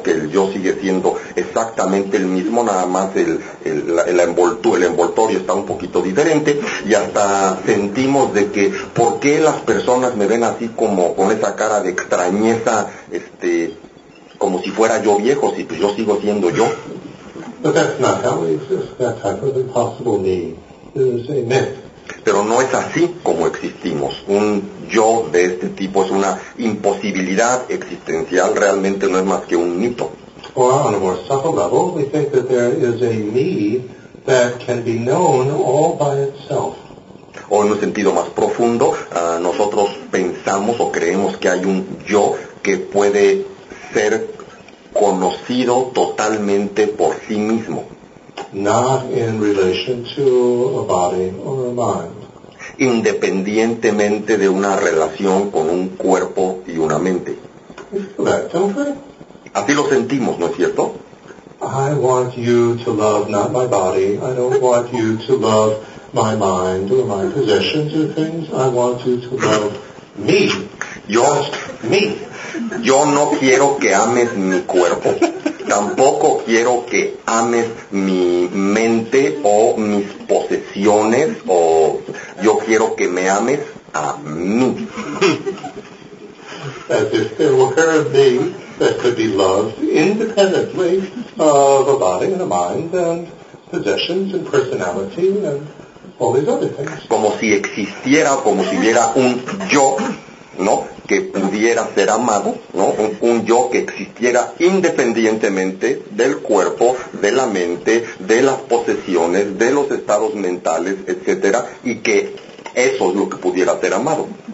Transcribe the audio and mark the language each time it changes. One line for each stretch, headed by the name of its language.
Spanish: Que el yo sigue siendo exactamente el mismo, nada más el envoltorio está un poquito diferente, y hasta sentimos de que, ¿por qué las personas me ven así como con esa cara de extrañeza, como si fuera yo viejo, si pues yo sigo siendo yo?
English: But that's not how we exist. That type of impossible me is a myth.
Spanish: Pero no es así como existimos. Un yo de este tipo es una imposibilidad existencial, realmente no es más que un mito.
English: Or on a more subtle level, we think that there is a me that can be known all by itself.
Spanish: O en un sentido más profundo, nosotros pensamos o creemos que hay un yo que puede ser conocido totalmente por sí mismo.
English: Not in relation to a body or a mind.
Spanish: Independientemente de una relación con un cuerpo y una mente.
English: Correct, okay.
Spanish: Así lo sentimos, ¿no es cierto?
English: I want you to love not my body. I don't want you to love my mind or my possessions or things. I want you to love me. Just me.
Spanish: Yo no quiero que ames mi cuerpo, tampoco quiero que ames mi mente o mis posesiones, o yo quiero que me ames a mí.
English: As if there were a me that could be loved independently of a body and a mind and possessions and personality and all these other things.
Spanish: Como si existiera, como si hubiera un yo, ¿no?, que pudiera ser amado, ¿no? Un yo que existiera independientemente del cuerpo, de la mente, de las posesiones, de los estados mentales, etcétera, y que eso es lo que pudiera ser amado.